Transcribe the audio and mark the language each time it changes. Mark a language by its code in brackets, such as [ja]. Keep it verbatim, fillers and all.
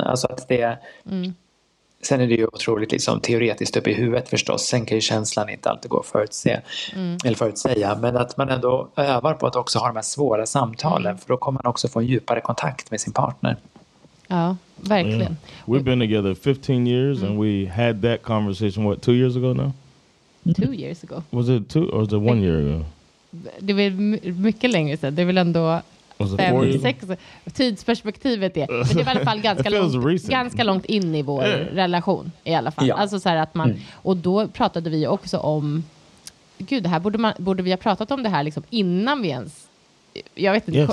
[sv] Alltså att det mm. Sen är det ju otroligt liksom, teoretiskt upp i huvudet förstås. Sen kan ju känslan inte alltid gå att förutse, mm. eller förutsäga. Men att man ändå övar på att också ha de här svåra samtalen. Mm. För då kommer man också få en djupare kontakt med sin partner. Ja, verkligen. Yeah. [en] We've been together fifteen years mm. and we had that conversation, what, two years ago now? Mm. Two years ago. Was it two or was it one year ago? [sv] Det var mycket längre sedan. Det är väl ändå... fem sex tidsperspektivet är. Men det är i alla fall ganska långt, ganska långt in i vår yeah. relation i alla fall. Yeah. Alltså så här att man, och då pratade vi också om gud, det här borde man borde vi ha pratat om det här liksom innan vi ens jag vet inte yes.